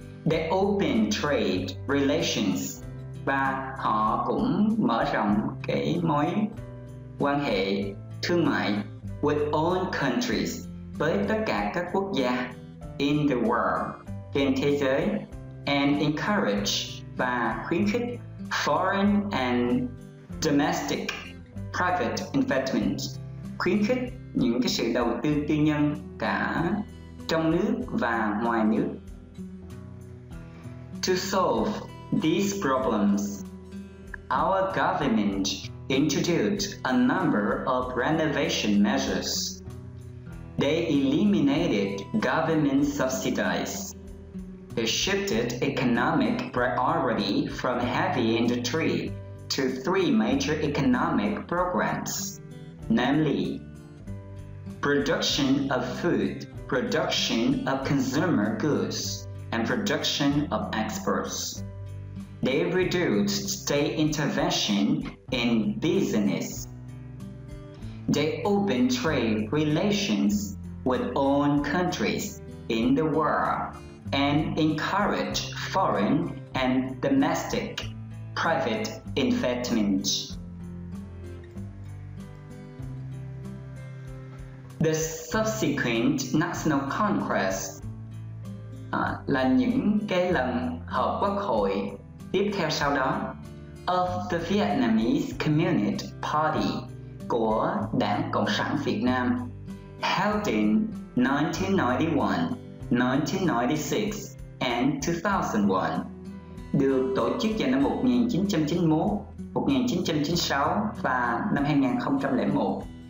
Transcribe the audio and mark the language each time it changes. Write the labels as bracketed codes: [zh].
[en] They opened trade relations. [vi] Và họ cũng mở rộng cái mối quan hệ thương mại [en] with all countries, [vi] với tất cả các quốc gia [en] in the world, [vi] trên thế giới. [en] And encourage, [vi] và khuyến khích, [en] foreign and domestic private investment, [vi] khuyến khích những cái sự đầu tư tư nhân cả trong nước và ngoài nước. [en] To solve these problems, our government introduced a number of renovation measures. They eliminated government subsidies. It shifted economic priority from heavy industry to three major economic programs, namely production of food, production of consumer goods, and production of exports. They reduced state intervention in business. They opened trade relations with all countries in the world, and encourage foreign and domestic private investment. The subsequent national congress [vi] là những cái lần họp quốc hội tiếp theo sau đó [en] of the Vietnamese Communist Party [vi] của Đảng Cộng sản Việt Nam [en] held in 1991, 1996 and 2001, [vi] được tổ chức vào năm 1991, 1996 và năm 2001.